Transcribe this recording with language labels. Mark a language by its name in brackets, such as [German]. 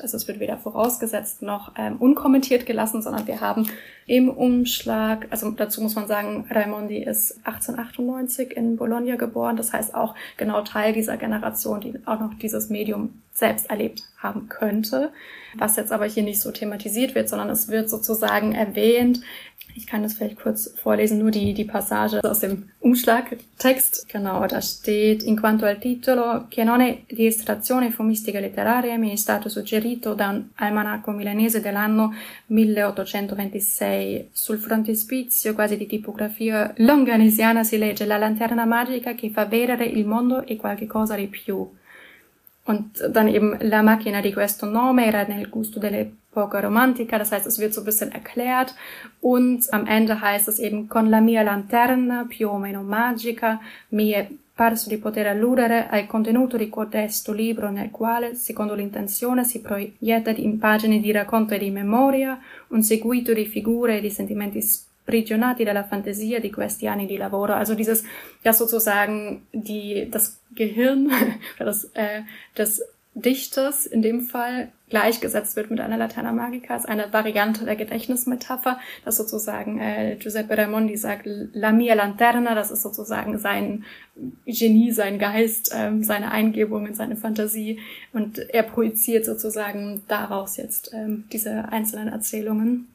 [German] Also es wird weder vorausgesetzt noch unkommentiert gelassen, sondern wir haben im Umschlag, also dazu muss man sagen, Raimondi ist 1898 in Bologna geboren. Das heißt auch genau Teil dieser Generation, die auch noch dieses Medium selbst erlebt haben könnte. Was jetzt aber hier nicht so thematisiert wird, sondern es wird sozusagen erwähnt. Ich kann das vielleicht kurz vorlesen, nur die Passage aus dem Umschlagtext. [Italian] Genau, da steht: In quanto al titolo, che non è di estrazione fumistica letteraria, mi è stato suggerito da un almanacco milanese dell'anno 1826. Sul frontespizio, quasi di tipografia longanesiana, si legge la lanterna magica che fa vedere il mondo e qualche cosa di più. [German] Und dann eben [Italian] la macchina di questo nome era nel gusto dell'epoca romantica, [German] das heißt, es wird so ein bisschen erklärt und am Ende heißt es eben [Italian] con la mia lanterna più o meno magica mi è parso di poter alludere al contenuto di questo libro nel quale, secondo l'intenzione, si proietta di pagine di racconto e di memoria un seguito di figure e di sentimenti sprigionati dalla fantasia di questi anni di lavoro. [German] Also dieses, ja sozusagen, das Gehirn des Dichters in dem Fall gleichgesetzt wird mit einer Laterna Magica, ist eine Variante der Gedächtnismetapher, dass sozusagen Giuseppe Raimondi sagt, [Italian] la mia lanterna, [German] das ist sozusagen sein Genie, sein Geist, seine Eingebungen, seine Fantasie und er projiziert sozusagen daraus jetzt diese einzelnen Erzählungen.